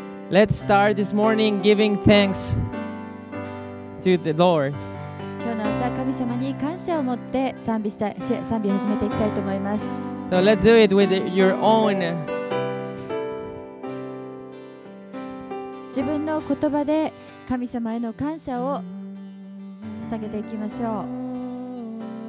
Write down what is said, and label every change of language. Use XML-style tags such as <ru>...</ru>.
<en>Let's start this morning giving thanks to the Lord.</en> <ja>今日の朝、神様に感謝を持って賛美したい、賛美を始めていきたいと思います。</ja> <en>So let's do it with your own.</en> <ja>自分の言葉で神様への感謝を捧げていきましょう。</ja>